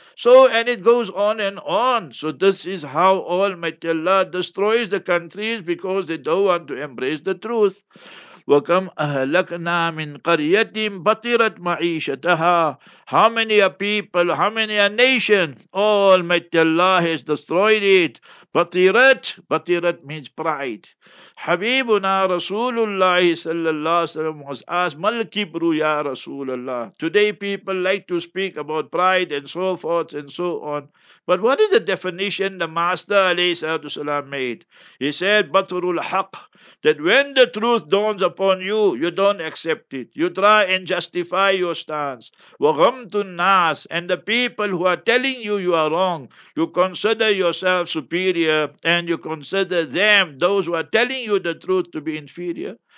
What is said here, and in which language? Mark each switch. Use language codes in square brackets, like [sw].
[en] So, and it goes on and on. So this is how Almighty Allah destroys the countries because they don't want to embrace the truth. [ar] وَكَمْ أَهْلَكْنَا مِنْ قَرْيَةٍ بَطِرَتْ مَعِيشَتَهَا. [en] How many a people, how many a nation, Almighty Allah has destroyed it. بَطِرَتْ, بَطِرَتْ means pride. [ar] حَبِيبُنَا رَسُولُ اللَّهِ صَلَّى اللَّهِ عَلَيْهِ وَسَلَّمُ [en] was asked, [ar] مَا الْكِبْرُ يَا رَسُولَ اللَّهِ. [en] Today people like to speak about pride and so forth and so on. But what is the definition the Master alayhi salatu salam made? He said, Batrul Haq, that when the truth dawns upon you, you don't accept it. You try and justify your stance. Waghamtun nas, and the people who are telling you you are wrong, you consider yourself superior and you consider them, those who are telling you the truth, to be inferior.